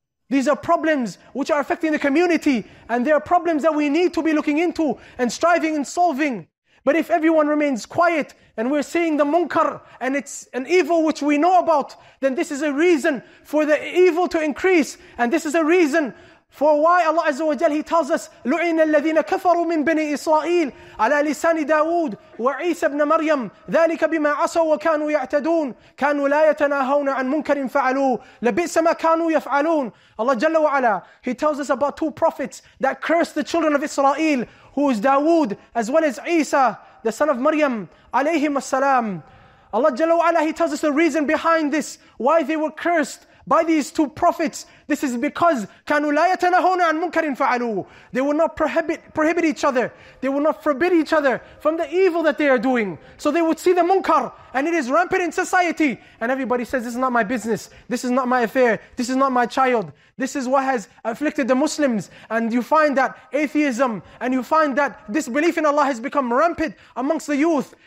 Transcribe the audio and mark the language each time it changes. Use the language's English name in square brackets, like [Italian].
[English] These are problems which are affecting the community and they are problems that we need to be looking into and striving and solving. But if everyone remains quiet and we're seeing the munkar and it's an evil which we know about, then this is a reason for the evil to increase and this is a reason For why Allah Azza wa Jal, He tells us, [Arabic] لُعِنَ الَّذِينَ كَفَرُوا مِنْ بَنِي إِسْرَائِيلَ عَلَى لِسَانِ دَاوُودَ وَعِيسَى بْنَ مَرْيَمَ ذَلِكَ بِمَا عَصَوْا وَكَانُوا يَعْتَدُونَ كَانُوا لَا يَتَنَاهَوْنَ عَنْ مُنْكَرٍ فَعَلُوهُ لَبِئْسَ مَا كَانُوا يَفْعَلُونَ. [English] Allah Jalla wa Ala, He tells us about two prophets that cursed the children of Israel, who is Dawood as well as Isa, the son of Maryam, alayhim as-salam. Allah Jalla wa Ala, He tells us the reason behind this, why they were cursed by these two prophets. This is because [Arabic] كانوا لا يتناهون عن منكر فعلوه. [English] They will not prohibit each other. They will not forbid each other from the evil that they are doing. So they would see the munkar, and it is rampant in society. And everybody says, this is not my business. This is not my affair. This is not my child. This is what has afflicted the Muslims. And you find that atheism, and you find that disbelief in Allah has become rampant amongst the youth.